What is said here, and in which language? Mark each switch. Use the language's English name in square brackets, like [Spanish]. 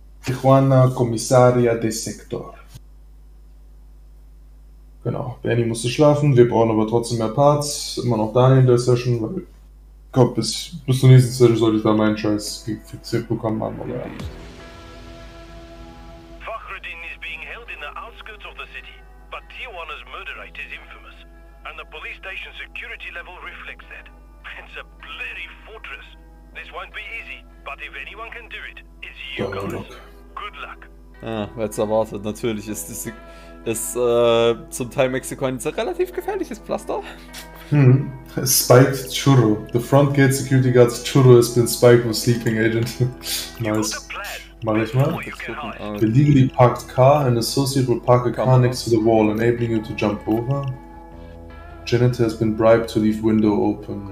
[German] Tijuana, Kommissaria de Sector. Genau, Bernie musste schlafen, wir brauchen aber trotzdem mehr Parts. Immer noch Daniel in der Session, weil. Komm, bis zur nächsten Session sollte ich da meinen Scheiß gefixiert bekommen haben, oder? [English] Fakhreddin is being held in the outskirts of the city, but Tijuana's murder rate is infamous. And the police station security level reflects that. It's a bloody fortress. This won't be easy, but if anyone can do it, it's you, guys. Good luck. [German] Ah, wer's erwartet, natürlich ist das. Ist zum Teil Mexiko ein relativ gefährliches Pflaster. [English] Spiked Churro. The front gate security guard's Churro has been spiked with sleeping agent. Nice. [German] Mach ich mal. [English] The legally parked car, an associate will park a car next to the wall, enabling you to jump over. Janitor has been bribed to leave window open.